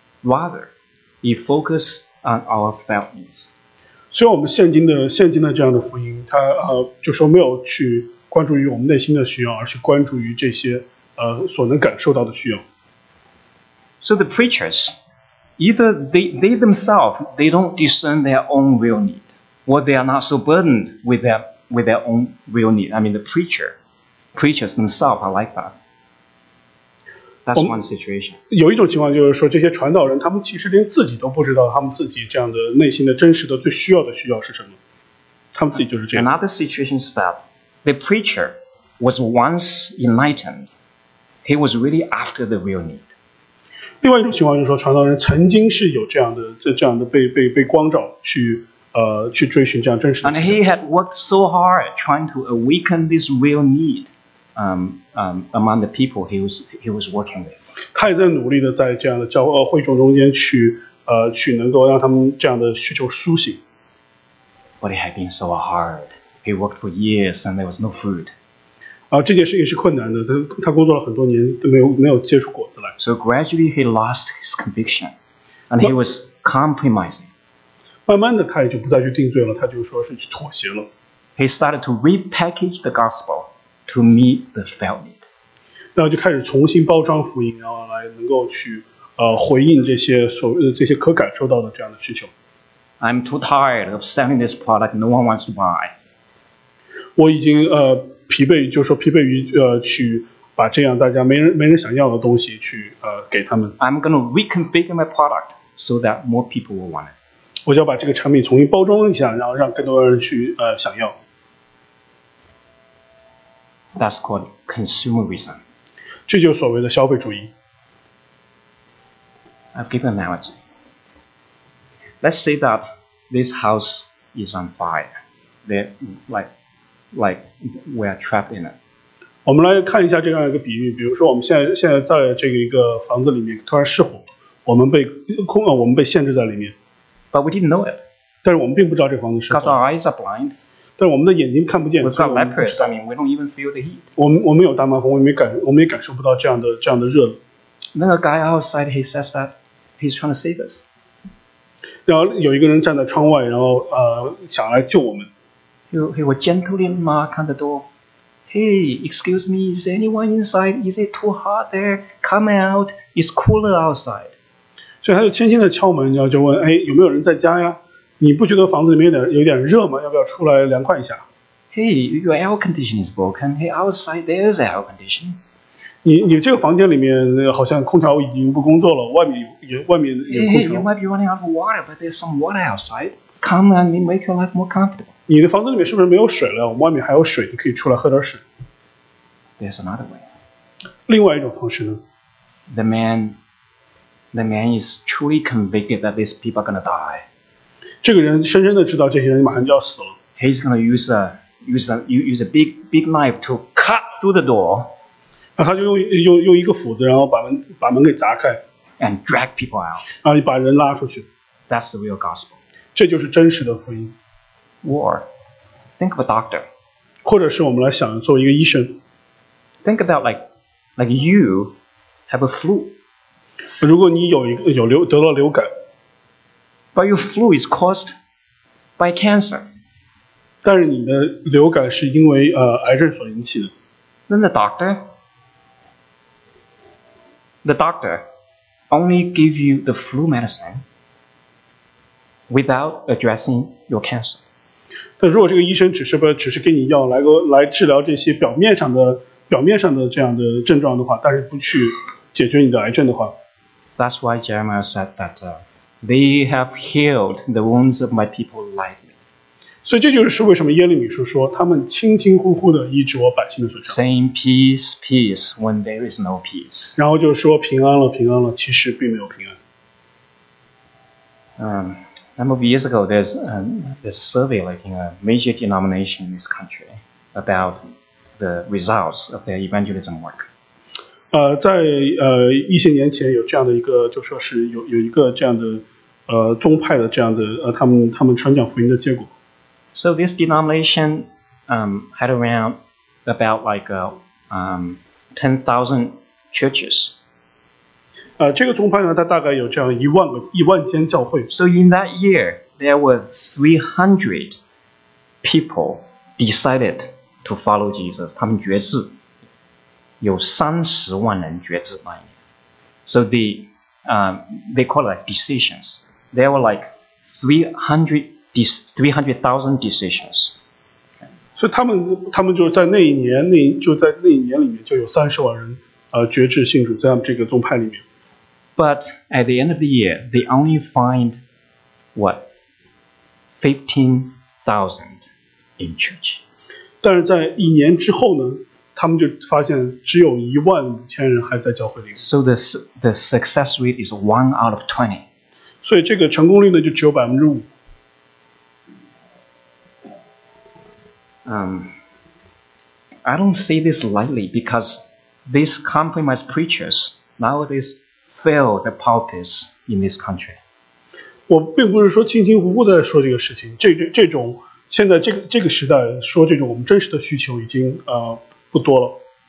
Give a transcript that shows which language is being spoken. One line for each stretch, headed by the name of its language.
English: Rather, they focus on our felt needs.
Chinese: 所以我们现今的这样的福音，它就说没有去关注于我们内心的需要，而是关注于这些所能感受到的需要。
English: So the preachers. Either they themselves, they don't discern their own real need, or they are not so burdened with their own real need. I mean, the preachers themselves are like that. That's one situation.
Chinese: 有一种情况就是说，这些传道人他们其实连自己都不知道他们自己这样的内心的真实的最需要的需要是什么，他们自己就是这样。
English: Another situation is that the preacher was once enlightened, he was really after the real need.
Chinese: 另外一种情况就是说传道人曾经是有这样的 被光照 去追寻这样真实的。
English: And he had worked so hard trying to awaken this real need among the people he was working with.
Chinese: 他也在努力的在这样的教会众中间去能够让他们这样的需求苏醒。
English: But it had been so hard. He worked for years and there was no fruit.
Chinese: 这件事情是困难的 他工作了很多年都没有结出果子来。
English: So gradually he lost his conviction, and he was compromising.
Chinese: 慢慢的他也就不再去定罪了他就说是去妥协了。
English: He started to repackage the gospel to meet the felt need.
Chinese: 然后就开始重新包装福音然后来能够去、回应这些可感受到的这样的需求。
English: I'm too tired of selling this product no one wants to buy.
Chinese: 我已经疲惫就是说疲惫于去把这样大家没人想要的东西去给他们。
English: I'm going to reconfigure my product so that more people will want it.
Chinese: 我就要把这个产品重新包装一下然后让更多人去想要。
English: That's called consumerism.
Chinese: 这就是所谓的消费主义。
English: I'll give an analogy. Let's say that this house is on fire. Like we are trapped in it.
Chinese: 我们来看一下这样一个比喻，比如说我们现在在这个一个房子里面突然失火，我们被限制在里面。
English: But we didn't know it.
Chinese: 但是我们并不知道这个房子失火。
English: Because our eyes are blind.
Chinese: 但是我们的眼睛看不见。
English: We've got lepers. I mean, we don't even feel the heat.
Chinese: 我们有大麻风，我们也感受不到这样的热。
English: Then a guy outside he says that he's trying to save us.
Chinese: 然后有一个人站在窗外，然后想来救我们。
English: He will gently knock on the door. Hey, excuse me, is anyone inside? Is it too hot there? Come out, it's cooler outside.
Chinese: 所以他就轻轻地敲门，然后就问，哎，有没有人在家呀？你不觉得房子里面有点热吗？要不要出来凉快一下？
English: Hey, your air condition is broken. Hey, outside there is air condition.
Chinese: 你这个房间里面好像空调已经不工作了，外面有空调。
English: Hey, you might be running out of water, but there's some water outside. Come and make your life more comfortable.
Chinese: 你的房子里面是不是没有水了？我们外面还有水，你可以出来喝点水。
English: There's another way.
Chinese: 另外一种方式呢
English: ？The man is truly convicted that these people are going to die.
Chinese: 这个人深深的知道这些人马上就要死了。
English: He's gonna use a big knife to cut through the door.
Chinese: 那他就用一个斧子，然后把门给砸开。
English: And drag people out.
Chinese: 啊，把人拉出去。
English: That's the real gospel.
Chinese: 这就是真实的福音。
English: War. Think of a doctor.
Chinese: 或者是我们来想做一个医生。
English: Think about like you have a flu.
Chinese: 如果你得了流感。
English: But your flu is caused by cancer.
Chinese: 但是你的流感是因为癌症所引起的。
English: Then the doctor only give you the flu medicine without addressing your cancer.
Chinese: 但如果这个医生只是给你药来治疗这些表面上的这样的症状的话，但是不去解决你的癌症的话。
English: That's why Jeremiah said that. They have healed the wounds of my people lightly.
Chinese: 所以这就是为什么耶利米书说他们轻轻忽忽地医治我百姓的所伤。
English: Saying peace, peace when there is no peace.
Chinese: 然后就说平安了，平安了，其实并没有平安。
English: Number of years ago, there's a survey like in a major denomination in this country about the results of their evangelism work.
Chinese: 在一些年前有这样的一个，就说是有一个这样的宗派的这样的他们传讲福音的结果。
English: So this denomination had around about like 10,000 churches.
Chinese: 这个宗派呢，它大概有这样一万间教会。
English: So in that year, there were 300 people decided to follow Jesus.
Chinese: 他们决志。有30万人决志那一年。
English: So they call it like decisions. There were like 300,000 decisions.
Chinese: 所以他们就在那一年里面就有30万人决志信主在这个宗派里面。
English: But at the end of the year, they only find what? 15,000 in church.
Chinese: 但是在一年之后呢，他们就发现只有15,000人还在教会里。
English: So the success rate is 1 out of 20.
Chinese: 所以这个成功率呢就只有5%。
English: I don't say this lightly because these compromised preachers nowadays fill the pulpits in this country.
Chinese: 我并不是说轻轻忽忽的说这个事情，这种现在这个时代说这种我们真实的需求已经不多了。